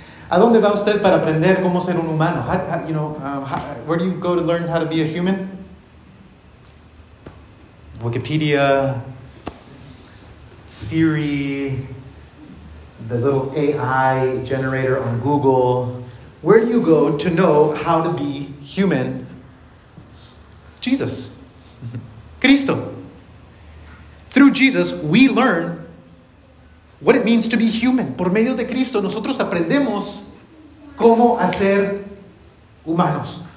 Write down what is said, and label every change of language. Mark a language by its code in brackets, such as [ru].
[es] ¿A dónde va usted para aprender cómo ser un humano? [en] Where do you go to learn how to be a human? Wikipedia, Siri, the little AI generator on Google. Where do you go to know how to be human? Jesus. Cristo. Through Jesus, we learn what it means to be human. [es] Por medio de Cristo, nosotros aprendemos cómo hacer humanos.